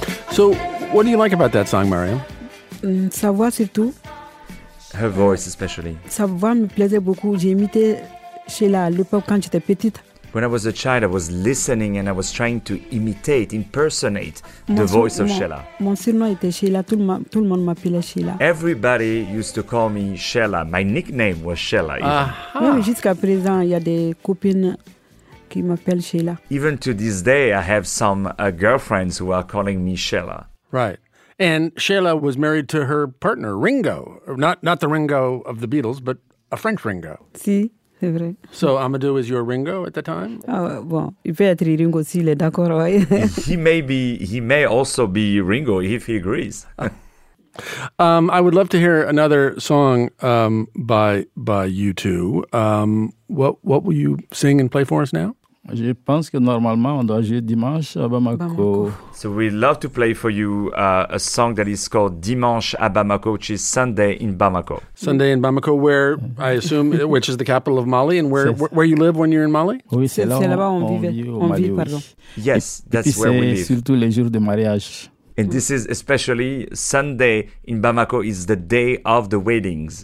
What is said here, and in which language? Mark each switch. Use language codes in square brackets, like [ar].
[en] So, what do you like about that song, Mariam? [fr] Sa voix surtout. [en] Her voice especially. [fr] Sa voix me plaisait beaucoup. J'imitais Sheila à l'époque quand j'étais petite. [en] When I was a child, I was listening and I was trying to imitate, impersonate the voice of Sheila. [fr] Mon surnom était Sheila. Tout le monde m'appelait Sheila. [en] Everybody used to call me Sheila. My nickname was Sheila. [fr] Oui, jusqu'à présent, il y a des copines qui m'appellent Sheila. [en] Even to this day, I have some girlfriends who are calling me Sheila. Right. And Sheila was married to her partner, Ringo. Not the Ringo of the Beatles, but a French Ringo. [fr] Si. C'est vrai. [en] So Amadou is your Ringo at the time? [fr] Bon, il peut être Ringo s'il est d'accord, oui. [en] He may also be Ringo if he agrees. I would love to hear another song by you two. What will you sing and play for us now? [fr] Je pense que normalement on doit jouer Dimanche à Bamako. [en] So we'd love to play for you a song that is called Dimanche à Bamako, which is Sunday in Bamako. Sunday in Bamako, where I assume, which is the capital of Mali, and where you live when you're in Mali? [fr] Oui, c'est là-bas où on vit, pardon. [en] Yes, that's [fr] puis [en] where we live. [fr] C'est surtout les jours de mariage. [en] And this is especially Sunday in Bamako is the day of the weddings.